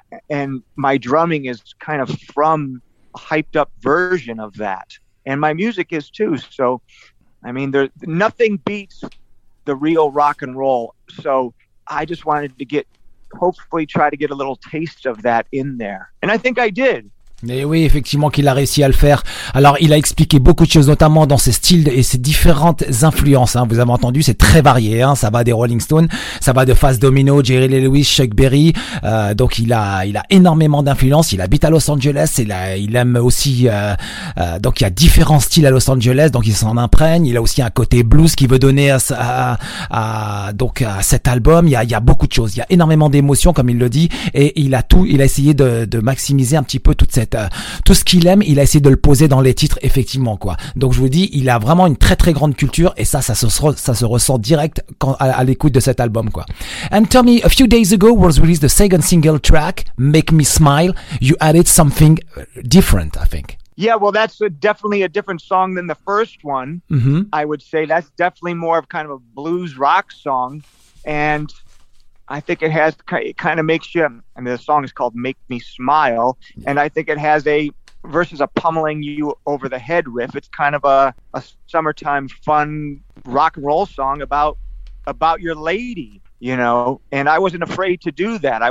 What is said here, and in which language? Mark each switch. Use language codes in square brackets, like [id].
[en] And my drumming is kind of from a hyped up version of that. And my music is too. So, I mean, there's nothing beats the real rock and roll. So I just wanted to get, hopefully try to get a little taste of that in there. And I think I did. [fr] Mais oui, effectivement, qu'il a réussi à le faire. Alors, il a expliqué beaucoup de choses, notamment dans ses styles et ses différentes influences, hein. Vous avez entendu, c'est très varié, hein. Ça va des Rolling Stones, ça va de Fats Domino, Jerry Lee Lewis, Chuck Berry. Donc, il a énormément d'influences. Il habite à Los Angeles. Donc, il y a différents styles à Los Angeles. Donc, il s'en imprègne. Il a aussi un côté blues qu'il veut donner à cet album. Il y a beaucoup de choses. Il y a énormément d'émotions, comme il le dit. Et il a essayé de maximiser un petit peu toute tout ce qu'il aime, il a essayé de le poser dans les titres, effectivement, quoi. Donc, je vous dis, il a vraiment une très, très grande culture, et ça se ressent direct à l'écoute de cet album, quoi. [en] And Tommy, a few days ago was released the second single track, Make Me Smile. You added something different, I think. Yeah, well, that's definitely a different song than the first one. Mm-hmm. I would say that's definitely more of kind of a blues rock song. And I think it kind of makes you, I mean, the song is called Make Me Smile, and I think it has a, versus a pummeling you over the head riff, it's kind of a summertime fun rock and roll song about your lady, you know, and I wasn't afraid to do that.